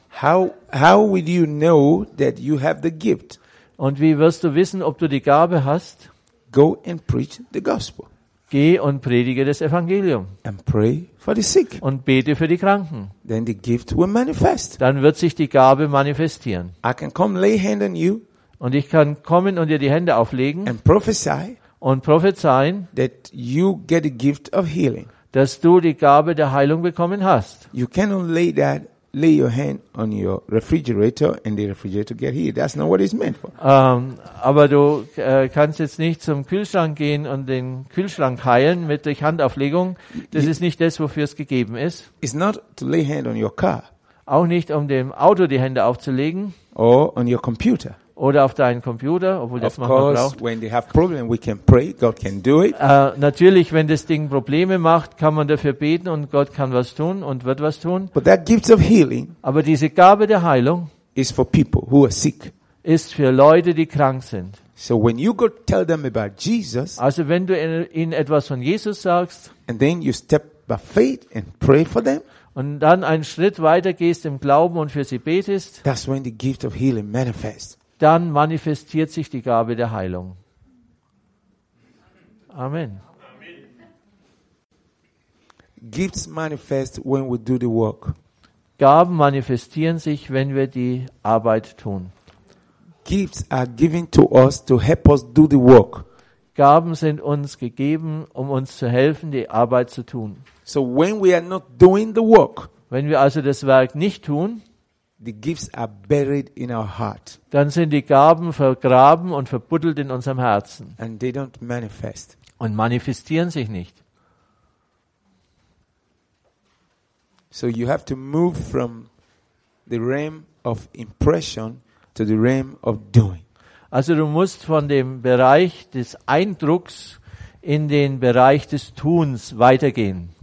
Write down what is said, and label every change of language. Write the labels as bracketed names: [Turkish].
[English] How will you know that you have the gift? [German] Und wie wirst du wissen, ob du die Gabe hast? [English] Go and preach the gospel. [German] Geh und predige das Evangelium. [English] And pray for the sick. [German] Und bete für die Kranken. [English] Then the gift will manifest. [German] Dann wird sich die Gabe manifestieren. [English] I can come lay hand on you. [German] Und ich kann kommen und dir die Hände auflegen. [English] And prophesy. [German] Und prophezeien. [English] That you get the gift of healing. [German] Dass du die Gabe der Heilung bekommen hast. [English] You cannot lay your hand on your refrigerator and the refrigerator get healed. That's not what it's meant for. [German] Aber du kannst jetzt nicht zum Kühlschrank gehen und den Kühlschrank heilen mit durch Handauflegung. Das ist nicht das, wofür es gegeben ist. [English] It's not to lay hand on your car. [German] Auch nicht, um dem Auto die Hände aufzulegen. [English] Or on your computer. [German] Oder auf deinen Computer, obwohl das manchmal braucht. [English] When they have problem, we can pray. God can do it. [German] Natürlich, wenn das Ding Probleme macht, kann man dafür beten und Gott kann was tun und wird was tun. [English] But that gift of healing. [German] Aber diese Gabe der Heilung [English] is for people who are sick. [German] Ist für Leute, die krank sind. [English] So when you go tell them about Jesus. [German] Also wenn du ihnen etwas von Jesus sagst. [English] And then you step by faith and pray for them. [German] Und dann einen Schritt weiter gehst im Glauben und für sie betest. [English] That's when the gift of healing manifests. [German] Dann manifestiert sich die Gabe der Heilung. Amen. [English] Gifts manifest when we do the work. [German] Gaben manifestieren sich, wenn wir die Arbeit tun. [English] Gifts are given to us to help us do the work. [German] Gaben sind uns gegeben, um uns zu helfen, die Arbeit zu tun. [English] So when we are not doing the work. [German] Wenn wir also das Werk nicht tun, [English] the gifts are buried in our heart. [German] Dann sind die Gaben vergraben und verbuddelt in unserem Herzen. [English] And they don't manifest. [German] Und manifestieren sich nicht. [English] So you have to move from the realm of impression to the realm of doing. [German] Also du musst von dem Bereich des Eindrucks in den Bereich des Tuns weitergehen.